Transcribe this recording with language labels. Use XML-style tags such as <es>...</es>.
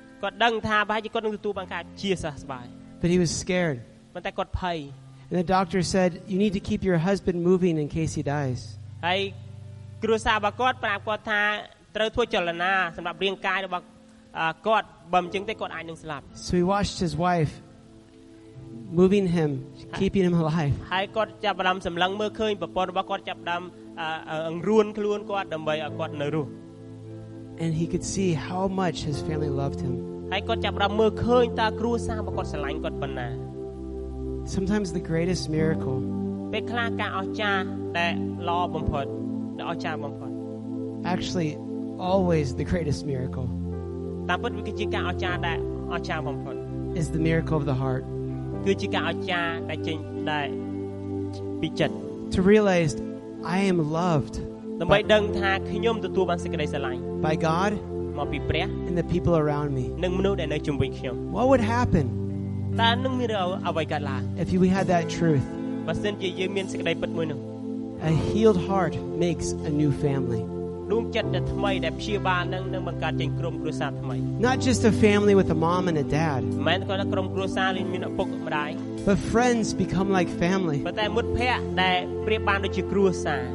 <km>គាត់ដឹងថាប្រហែលជាគាត់នឹងទទួលបានការជាសះស្បើយ</km> <en>but he was scared</en> <km>ប៉ុន្តែគាត់ភ័យ</km> <en>and the doctor said you need to keep your husband moving in case he dies</en> <km>ហើយគ្រួសាររបស់គាត់ប្រាប់គាត់ថាត្រូវធ្វើចលនាសម្រាប់រាងកាយរបស់គាត់បើមិនចឹងទេគាត់អាចនឹងស្លាប់</km> <en>so he watched his wife moving him keeping him alive</en> <km>ហើយគាត់ចាប់បានសម្លឹងមើលឃើញប្រពន្ធរបស់គាត់ចាប់ដាំអង្រួនខ្លួនគាត់ដើម្បីឲ្យគាត់នៅរស់</km> <en>And he could see how much his family loved him.</en> <km>ហើយគាត់ចាប់ផ្ដើមមើលឃើញតើគ្រួសាររបស់គាត់ស្រឡាញ់គាត់ប៉ុណ្ណា</km> <en>Sometimes the greatest miracle.</en> <km>ពេលខ្លះការអស្ចារ្យដែលល្អបំផុតដែលអស្ចារ្យបំផុត</km> <en>Actually always the greatest miracle.</en> <km>តើពិតវាគឺជាការអស្ចារ្យដែលអស្ចារ្យបំផុត</km> <en>Is the miracle of the heart.</en> <km>គឺជាការអស្ចារ្យដែលចេញដែលពីចិត្ត</km> <en>To realize I am loved.</en> <km>ដើម្បីដឹងថាខ្ញុំទទួលបានសេចក្តីស្រឡាញ់</km> <en>By God.</en> <km>មកពីព្រះ</km> <en>And the people around me.</en> <km>និងមនុស្សដែលនៅជុំវិញខ្ញុំ</km> <en>What would happen?</en> <km>តើនឹងមានអ្វីកើតឡើង</km> <en>If we had that truth.</en> <km>បើសិនជាយើងមានសេចក្តីពិតមួយនោះ</km> <en>A healed heart makes a new family.</en> <km>ដួងចិត្តដែលថ្មីដែលព្យាបាលនឹងបង្កើតជាក្រុមគ្រួសារថ្មី</km> <en>Not just a family with a mom and a dad.</en> <km>មិនគាត់ក្រុមគ្រួសារលែងមានឪពុកម្ដាយ</km> <en>But friends become like family.</en> <km>ប៉ុន្តែមិត្តភ័ក្តិដែលប្រៀបបានដូចជាគ្រួសារ</km>